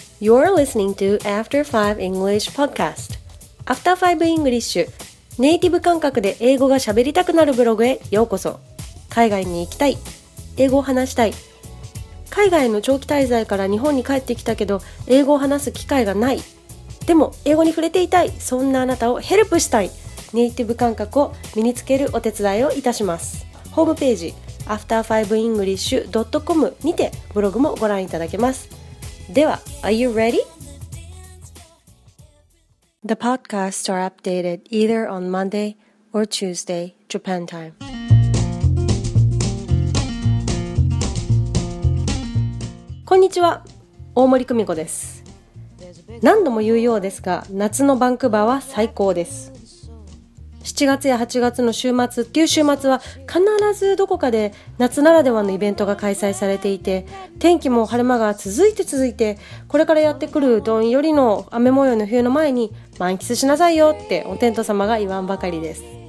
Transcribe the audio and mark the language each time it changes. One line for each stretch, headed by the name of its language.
English: You're listening to After 5 English Podcast. After 5 English.
Japanese: ネイティブ感覚で英語が喋りたくなるブログへようこそ。海外に行きたい。英語を話したい。海外の長期滞在から日本に帰ってきたけど、英語を話す機会がない。でも、英語に触れていたい。そんなあなたをヘルプしたい。ネイティブ感覚を身につけるお手伝いをいたします。ホームページ、after5english.com にてブログもご覧いただけます。
English: では、Are you ready? The podcasts are updated either on Monday or Tuesday, Japan time.
Japanese: こんにちは、大森久美子です。何度も言うようですが、夏のバンクーバーは最高です。 7月や8月の週末っていう週末は必ずどこかで夏ならではのイベントが開催されていて、天気も晴れ間が続いて、これからやってくるどんよりの雨模様の冬の前に満喫しなさいよってお天道様が言わんばかりです。